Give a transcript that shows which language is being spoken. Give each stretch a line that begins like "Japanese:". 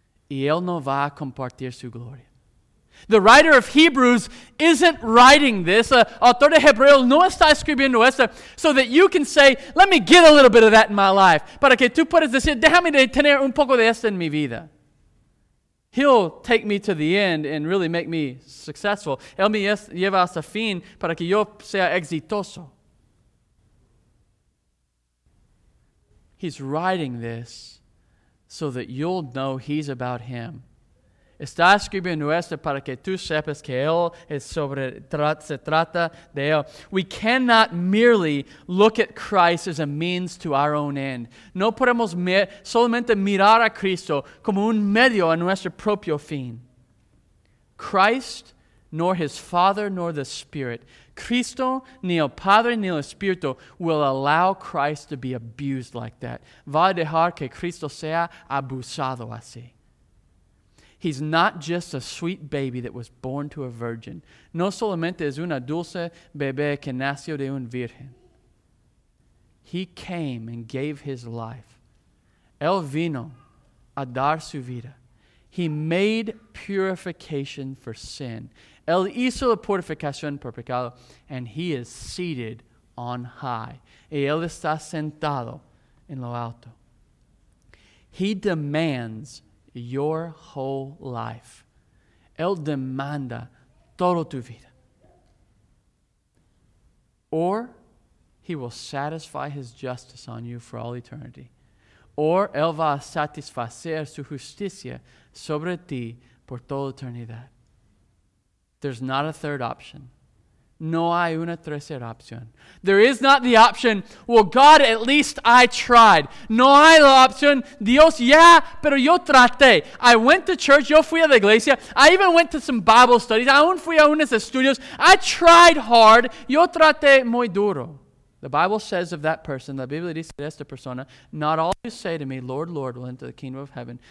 Spanish: Y Él no va a compartir su gloria.
English: The writer of Hebrews isn't writing this.
Spanish: Autor de Hebreos no está escribiendo esto
English: so that you can say, let me get a little bit of that in my life.
Spanish: Para que tú puedas decir, déjame de tener un poco de esto en mi vida.
English: He'll take me to the end and really make me successful.
Spanish: Él me lleva hasta fin para que yo sea exitoso.
English: He's writing this so that you'll know He's about Him.
Spanish: Está escribiendo esto para que tú sepas que Él es sobre, se trata de Él.
English: We cannot merely look at Christ as a means to our own end.
Spanish: No podemos solamente mirar a Cristo como un medio a nuestro propio fin.
English: Christ, nor His Father, nor the Spirit.
Spanish: Cristo, ni el Padre, ni el Espíritu
English: will allow Christ to be abused like that.
Spanish: Va a dejar que Cristo sea abusado así.
English: He's not just a sweet baby that was born to a virgin.
Spanish: No solamente es una dulce bebé que nació de un virgen.
English: He came and gave His life.
Spanish: Él vino a dar su vida.
English: He made purification for sin.
Spanish: Él hizo la purificación por pecado.
English: And He is seated on high.
Spanish: Y Él está sentado en lo alto.
English: He demands your whole life.
Spanish: Él demanda todo tu vida.
English: Or He will satisfy His justice on you for all eternity.
Spanish: Or Él va a satisfacer su justicia sobre ti por toda eternidad.
English: There's not a third option.
Spanish: No hay una tercera opción.
English: There is not the option, well, God, at least I tried.
Spanish: No hay la opción, Dios, yeah, pero yo traté.
English: I went to church,
Spanish: yo fui a la iglesia.
English: I even went to some Bible studies.
Spanish: Aún fui a unos estudios.
English: I tried hard,
Spanish: yo traté muy duro.
English: The Bible says of that person,
Spanish: la Biblia dice de esta persona,
English: not all who say to me, Lord, Lord, will enter the kingdom of heaven.